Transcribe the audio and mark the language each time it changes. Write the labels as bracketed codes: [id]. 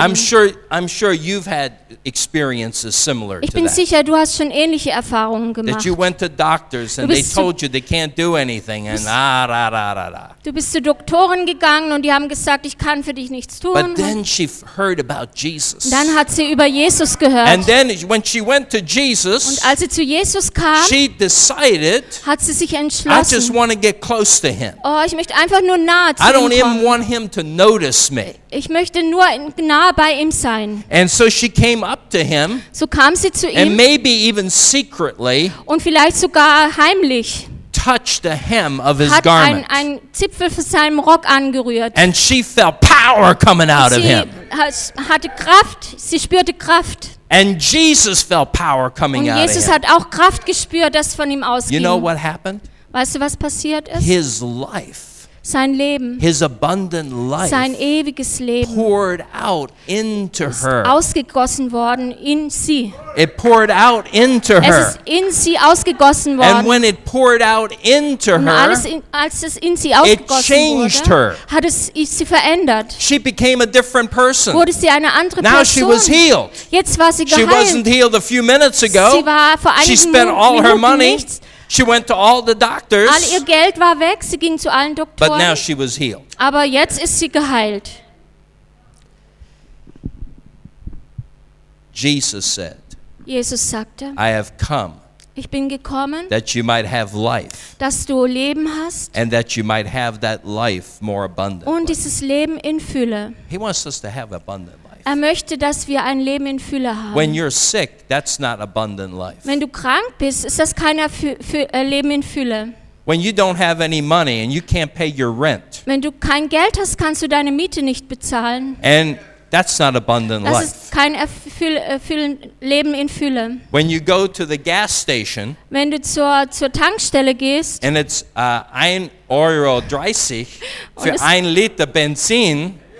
[en] I'm sure you've had experiences similar to that. [de] Ich bin sicher, du hast schon ähnliche Erfahrungen gemacht. [en] That you went to doctors and they told you they can't do anything and ra ra ra ra. [de] Du bist zu Doktoren gegangen und die haben gesagt, ich kann für dich nichts tun. [en] But then she heard about Jesus. [de] Dann hat sie über Jesus gehört. [en] And then when she went to Jesus, [de] und als sie zu Jesus kam, [en] she decided, [de] hat sie sich entschlossen, [en] I just want to get close to him. [de] Oh, ich möchte einfach nur nahe zu ihm kommen. [en] I don't even want him to notice me. [de] Ich möchte nur nahe bei ihm sein. [en] And so she came up to him. [de] So kam sie zu ihm. [en] And maybe even secretly. [de] Und vielleicht sogar heimlich. [en] Touched the hem of his garment. [de] Hat einen Zipfel von seinem Rock angerührt. [en] And she felt power coming out of him. [de] Hatte Kraft, sie spürte Kraft. [en] And Jesus felt power coming out of him. [de] Und Jesus hat auch Kraft gespürt, das von ihm ausging. [en] You know what happened? [de] Weißt du, was passiert ist? [en] His life, [de] sein Leben, [en] his abundant life, [de] sein ewiges Leben, [en] poured out into [de] ist [en] her. [de] Ausgegossen worden in sie. [en] It poured out into her. [de] Es ist in sie ausgegossen worden. [en] And when it poured out into her, [de] und als es in sie ausgegossen [en] it changed [de] wurde, [en] her. [de] Hat es sie verändert. [en] She became a different person. [de] Wurde sie eine andere [en] now [de] Person. [en] She was healed. [de] Jetzt war sie geheilt. [en] She wasn't healed a few minutes ago. [de] Sie war vor einigen [en] she spent all [de] Minuten [en] her money. [de] Nichts. [en] She went to all the doctors. [de] All ihr Geld war weg, sie ging zu allen Doktoren. [en] But now she was healed. [de] Aber jetzt ist sie geheilt. [en] Jesus said. [de] Jesus sagte. [en] I have come. [de] Ich bin gekommen, [en] that you might have life, [de] dass du Leben hast, [en] and that you might have that life more abundantly. [de] Und dieses Leben in Fülle. [en] He wants us to have abundant life. [de] Er möchte, dass wir ein Leben in Fülle haben. [en] When you're sick, that's not abundant life. [de] Wenn du krank bist, ist das kein Leben in Fülle. [en] When you don't have any money and you can't pay your rent. [de] Wenn du kein Geld hast, kannst du deine Miete nicht bezahlen. [en] And that's not abundant life. [de] Das ist kein Leben in Fülle. [en] When you go to the gas station. [de] Wenn du zur Tankstelle gehst. [en] And it's 1,30 € [de] für ein Liter Benzin.